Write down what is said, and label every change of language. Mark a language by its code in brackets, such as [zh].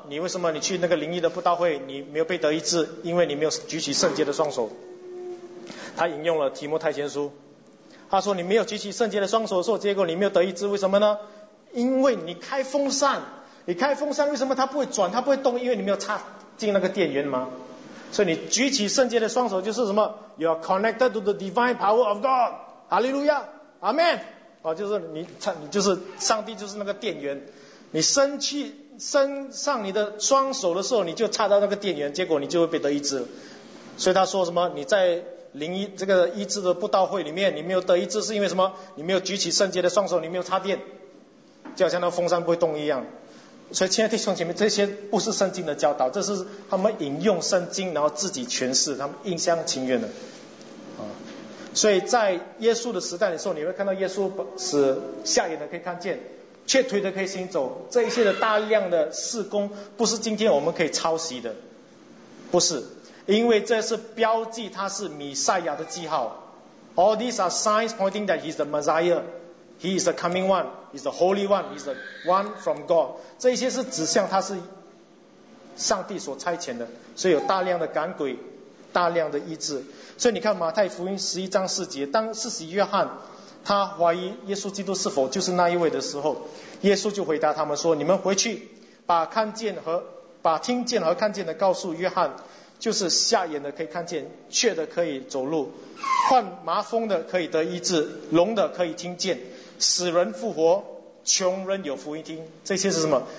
[zh] 你为什么你去那个灵异的布道会，你没有被得医治？因为你没有举起圣洁的双手。他引用了提摩太前书，他说你没有举起圣洁的双手的时候，结果你没有得医治，为什么呢？因为你开风扇，你开风扇为什么它不会转，它不会动？因为你没有插进那个电源吗？所以你举起圣洁的双手就是什么 [en] ？You are connected to the divine power of God. Hallelujah, Amen. [zh] 就是你就是上帝，就是那个电源。你生气。伸上你的双手的时候，你就插到那个电源，结果你就会被得医治。所以他说什么？你在灵医这个医治的布道会里面，你没有得医治是因为什么？你没有举起圣洁的双手，你没有插电，就好像那风扇不会动一样。所以亲爱的弟兄姐妹，这些不是圣经的教导，这是他们引用圣经然后自己诠释，他们一厢情愿的。所以在耶稣的时代的时候，你会看到耶稣使瞎眼的可以看见，瘸腿的可以行走，这一些的大量的事工不是今天我们可以抄袭的，不是，因为这是标记他是弥赛亚的记号。 [en] All these are signs pointing that he is the Messiah, he is the coming one, he is the holy one, he is the one from God. [zh] 这一些是指向他是上帝所差遣的，所以有大量的赶鬼，大量的医治。所以你看马太福音十一章四节，当施洗约翰他怀疑耶稣基督是否就是那一位的时候，耶稣就回答他们说，你们回去把看见和把听见和看见的告诉约翰，就是瞎眼的可以看见，瘸的可以走路，患麻风的可以得医治，聋的可以听见，死人复活，穷人有福音听。这些是什么？